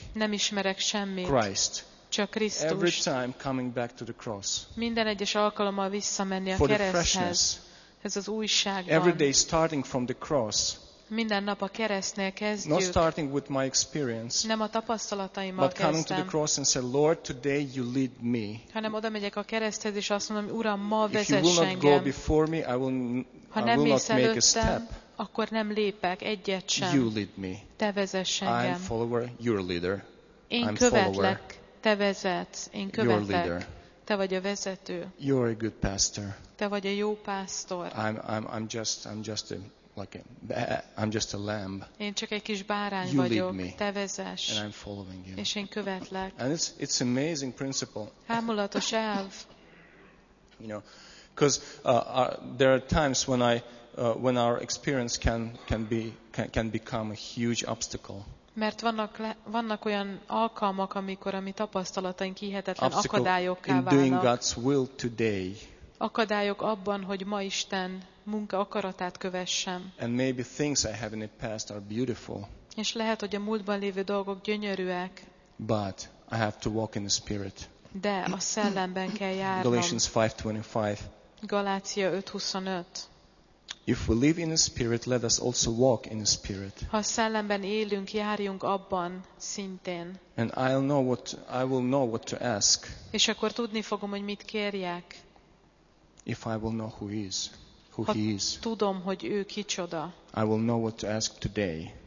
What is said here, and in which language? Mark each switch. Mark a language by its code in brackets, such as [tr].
[hu] Nem ismerek semmit. [en] Christ. [hu] Csak Krisztust. [en] Every time coming back to the cross. [hu] Minden egyes alkalommal visszamenni a [en] for [hu] kereszthez. Ez az újságban. [en] Every day starting from the cross. [hu] Minden nap a keresztnél kezdjük. [en] Not starting with my experience. [hu] Nem a tapasztalataimmal kezdtem. [en] But coming to the cross and say, Lord, today you lead me. [hu] Hanem oda megyek a kereszthez és azt mondom, Uram, ma vezess engem. [en] If you will not go before me, I will not make a step. [hu] Akkor nem lépek egyet sem. [en] You lead me. [hu] Te vezess engem. [en] I'm follower, you're leader. [hu] Én követlek. Te vezetsz, én követlek. Te vagy a vezető. [en] You're a good pastor. [hu] Te vagy a jó pásztor. [en] I'm just a lamb. [hu] Én csak egy kis bárány [en] you [hu] vagyok. [en] Me, [hu] te vezess. [en] And I'm following you. [hu] És én követlek. [en] And it's amazing principle. [hu] Hámulatos elv. [en] You know, because there are times when when our experience can become a huge obstacle. [hu] Mert vannak olyan alkalmak, amikor a mi tapasztalataink hihetetlen akadályokká válnak. [en] Doing God's will today. [hu] Akadályok abban, hogy ma Isten munka akaratát kövessem. [en] And maybe things I have in the past are beautiful. [hu] És lehet, hogy a múltban lévő dolgok gyönyörűek. [en] But I have to walk in the Spirit. [hu] De a szellemben kell járnom. [en] Galatians 5:25. [hu] Galácia 5:25. [en] If we live in the Spirit, let us also walk in the Spirit. [hu] Ha szellemben élünk, járjunk abban szintén. [en] And I will know what to ask. [hu] És akkor tudni fogom, hogy mit kérjek. [en] If I will know who he is. [hu] Tudom, hogy ő kicsoda. [en] I will know what to ask today.